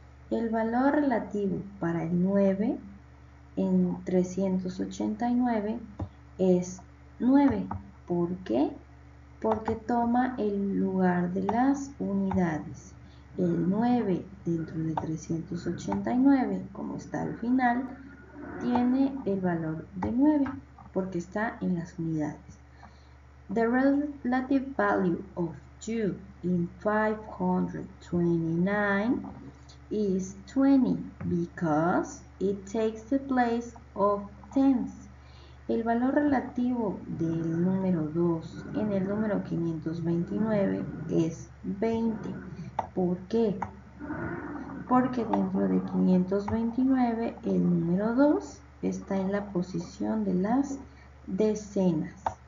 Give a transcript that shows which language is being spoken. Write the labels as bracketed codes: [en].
[es] El valor relativo para el 9 en 389 es 9. ¿Por qué? Porque toma el lugar de las unidades. El 9 dentro de 389, como está al final, tiene el valor de 9, porque está en las unidades. [en] The relative value of 2 in 529 is 20, because it takes the place of tens. [es] El valor relativo del número 2 en el número 529 es 20. ¿Por qué? Porque dentro de 529 el número 2 está en la posición de las decenas.